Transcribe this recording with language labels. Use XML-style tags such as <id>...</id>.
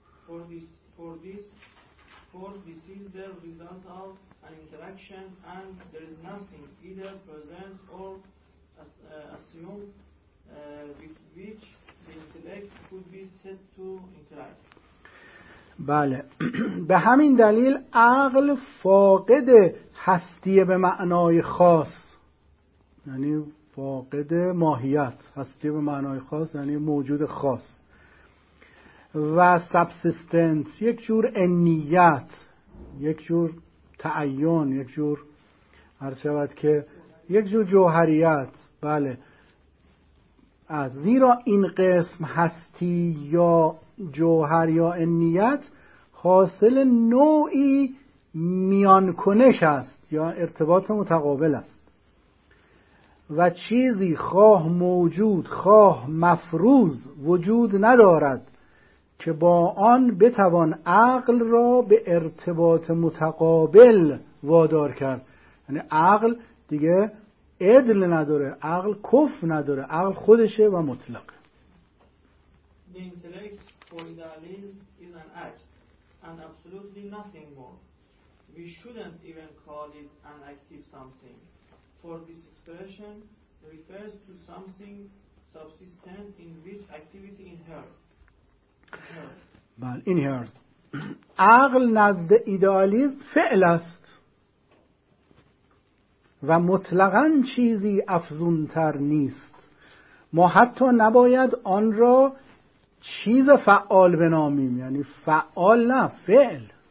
<en>For this is the result of an interaction, and there is nothing either present or assumed with which the intellect could be said to interact.</en> <fa>بله. به همین دلیل عقل فاقد هستی به معنای خاص، یعنی فاقد ماهیت. هستی به معنای خاص یعنی موجود خاص. و سبسیستنس، یک جور انیت، یک جور تعین، یک جور هر شود که یک جور جوهریت. بله. از زیرا این قسم هستی یا جوهر یا انیت حاصل نوعی میانکنش است یا ارتباط متقابل است و چیزی خواه موجود خواه مفروض وجود ندارد که با آن بتوان عقل را به ارتباط متقابل وادار کرد. یعنی عقل دیگه عدل نداره، عقل کف نداره، عقل خودشه و مطلقه.</fa> <en>The intellect for idealism is an act and absolutely nothing more. We shouldn't even call it an active something. For this expression refers to something subsistent in which activity inheres.</en> <fa>بله inheres. عقل نزد ایدئالیسم فعل است و مطلقاً چیزی افزونتر نیست. ما حتی نباید آن را چیز فعال بنامیم، یعنی فعال نه، فعل.</fa>